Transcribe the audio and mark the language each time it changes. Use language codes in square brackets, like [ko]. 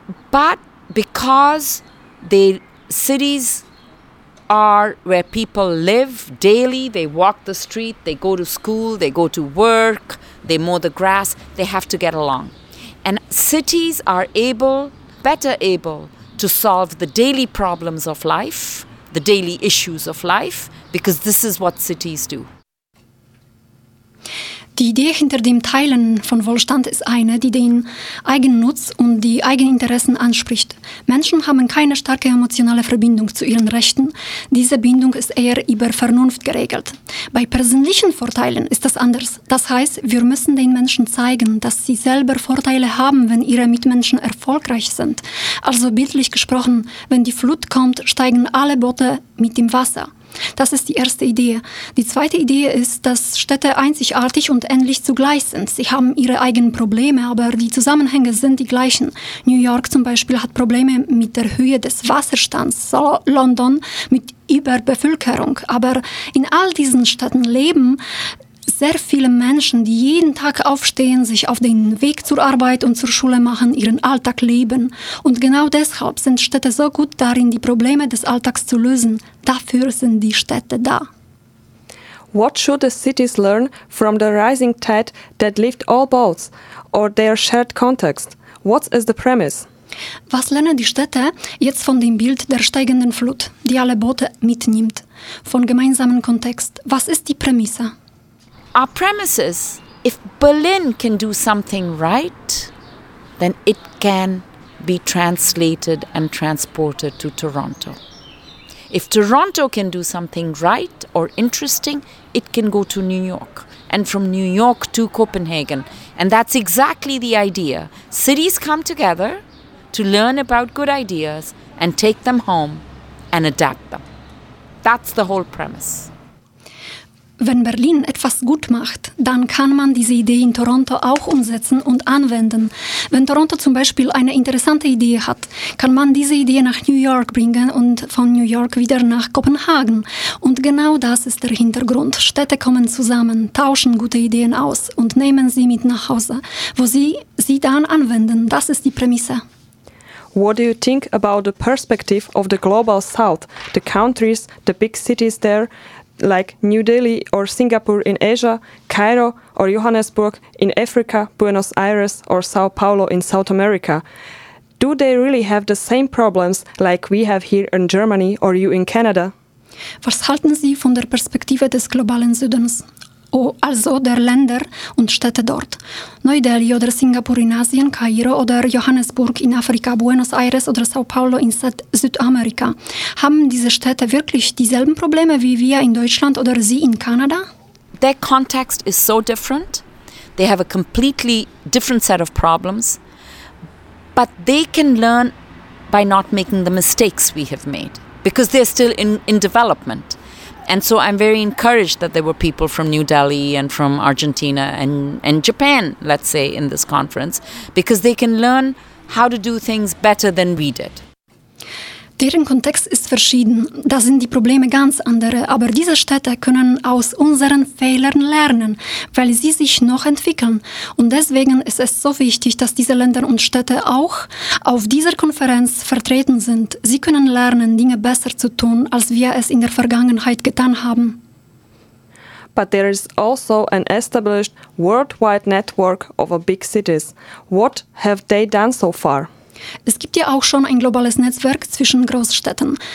[en] But because the cities are where people live daily, they walk the street, they go to school, they go to work, they mow the grass, they have to get along. And cities are better able to solve the daily problems of life, the daily issues of life, because this is what cities do. [de] Die Idee hinter dem Teilen von Wohlstand ist eine, die den Eigennutz und die Eigeninteressen anspricht. Menschen haben keine starke emotionale Verbindung zu ihren Rechten. Diese Bindung ist eher über Vernunft geregelt. Bei persönlichen Vorteilen ist das anders. Das heißt, wir müssen den Menschen zeigen, dass sie selber Vorteile haben, wenn ihre Mitmenschen erfolgreich sind. Also bildlich gesprochen, wenn die Flut kommt, steigen alle Boote mit dem Wasser. Das ist die erste Idee. Die zweite Idee ist, dass Städte einzigartig und ähnlich zugleich sind. Sie haben ihre eigenen Probleme, aber die Zusammenhänge sind die gleichen. New York zum Beispiel hat Probleme mit der Höhe des Wasserstands, London mit Überbevölkerung. Aber in all diesen Städten leben sehr viele Menschen, die jeden Tag aufstehen, sich auf den Weg zur Arbeit und zur Schule machen, ihren Alltag leben. Und genau deshalb sind Städte so gut darin, die Probleme des Alltags zu lösen. Dafür sind die Städte da. [en] What should the cities learn from the rising tide that lift all boats? or their shared context? What is the premise? [de] Was lernen die Städte jetzt von dem Bild der steigenden Flut, die alle Boote mitnimmt, von gemeinsamen Kontext? Was ist die Prämisse? [en] Our premise is, if Berlin can do something right, then it can be translated and transported to Toronto. If Toronto can do something right or interesting, it can go to New York, and from New York to Copenhagen. And that's exactly the idea. Cities come together to learn about good ideas and take them home and adapt them. That's the whole premise. [de] Wenn Berlin etwas gut macht, dann kann man diese Idee in Toronto auch umsetzen und anwenden. Wenn Toronto zum Beispiel eine interessante Idee hat, kann man diese Idee nach New York bringen und von New York wieder nach Kopenhagen. Und genau das ist der Hintergrund. Städte kommen zusammen, tauschen gute Ideen aus und nehmen sie mit nach Hause, wo sie dann anwenden. Das ist die Prämisse. [en] What do you think about the perspective of the global South, the countries, the big cities there, like New Delhi or Singapore in Asia, Cairo or Johannesburg in Africa, Buenos Aires or Sao Paulo in South America? Do they really have the same problems like we have here in Germany or you in Canada? [de] Was halten Sie von der Perspektive des globalen Südens? Also der Länder und Städte dort. Neu-Delhi oder Singapur in Asien, Kairo oder Johannesburg in Afrika, Buenos Aires oder Sao Paulo in Südamerika. Haben diese Städte wirklich dieselben Probleme wie wir in Deutschland oder Sie in Kanada? [en] Their context is so different. They have a completely different set of problems. But they can learn by not making the mistakes we have made. Because they're still in development. And so I'm very encouraged that there were people from New Delhi and from Argentina and Japan, let's say, in this conference, because they can learn how to do things better than we did. [de] Deren Kontext ist verschieden. Da sind die Probleme ganz andere. Aber diese Städte können aus unseren Fehlern lernen, weil sie sich noch entwickeln. Und deswegen ist es so wichtig, dass diese Länder und Städte auch auf dieser Konferenz vertreten sind. Sie können lernen, Dinge besser zu tun, als wir es in der Vergangenheit getan haben. [en] But there is also an established worldwide network of big cities. What have they done so far? [de] Es gibt ja auch schon ein globales Netzwerk zwischen Großstädten.